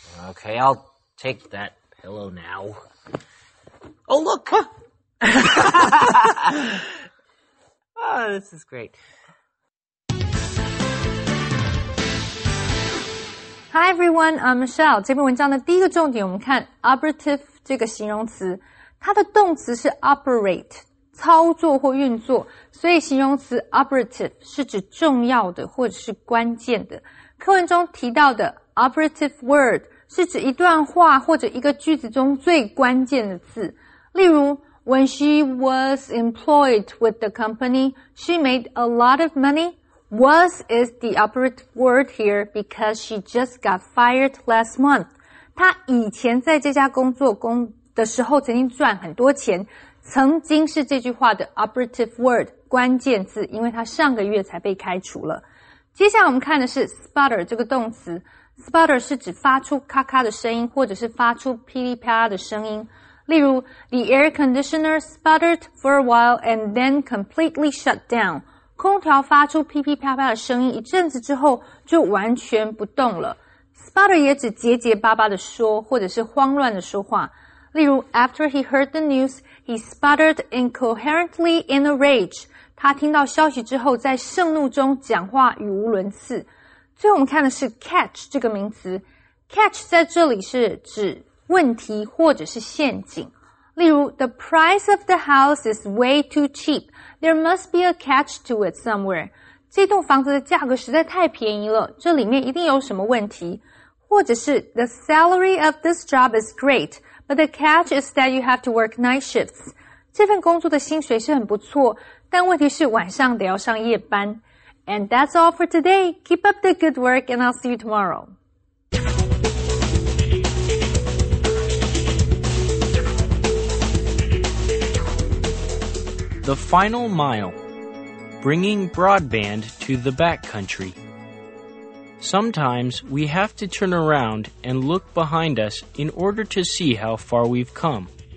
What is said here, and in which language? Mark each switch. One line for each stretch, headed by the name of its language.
English: Okay, I'll take that pillow now. Oh, look! Oh, this is great. Hi everyone, I'm Michelle.
Chinese: 这篇文章的第一个重点，我们看 operative 这个形容词，它的动词是 operate。操作或运作，所以形容词 operative 是指重要的或者是关键的。课文中提到的 operative word 是指一段话或者一个句子中最关键的字。例如
English: ,when she was employed with the company, she made a lot of money. Was is the operative word here because she just got fired last month.
Chinese: 她以前在这家工作的时候曾经赚很多钱。曾经是这句话的 operative word 关键字，因为它上个月才被开除了。接下来我们看的是 sputter 这个动词， sputter 是指发出咔咔的声音或者是发出噼里啪啦的声音。例如
English: The air conditioner sputtered for a while and then completely shut down，
Chinese: 空调发出噼噼啪啪的声音一阵子之后就完全不动了。 sputter 也指结结巴巴的说或者是慌乱的说话。例如
English: After he heard the newsHe sputtered incoherently in a rage.
Chinese: 他听到消息之后在盛怒中讲话语无伦次。最后我们看的是 catch 这个名词。catch 在这里是指问题或者是陷阱。例如
English: The price of the house is way too cheap. There must be a catch to it somewhere.
Chinese: 这栋房子的价格实在太便宜了，这里面一定有什么问题。或者是
English: The salary of this job is great. But the catch is that you have to work night shifts.
Chinese: 这份工作的薪水是很不错，但问题是晚上得要上夜班。
English: And that's all for today. Keep up the good work and I'll see you tomorrow. The Final Mile. Bringing broadband to the backcountry. Sometimes we have to turn around and look behind us in order to see how far we've come.